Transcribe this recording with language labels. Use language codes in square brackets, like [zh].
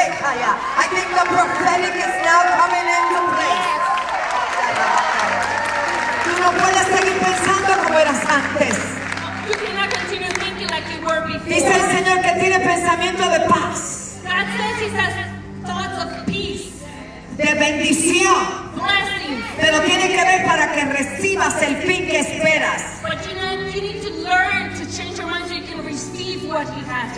[en] I think the prophetic is now coming into place. [es] Tú no puedes seguir pensando como eras antes. [en] You cannot continue thinking like you were before. [es] Dice el Señor que tiene pensamiento de paz. [en] God says He has thoughts of peace. [es] De bendición. [en] Blessings. [es] Pero tiene que ver para que recibas el fin que esperas. [en] But you know, you need to learn to change your mind so you can receive what He has.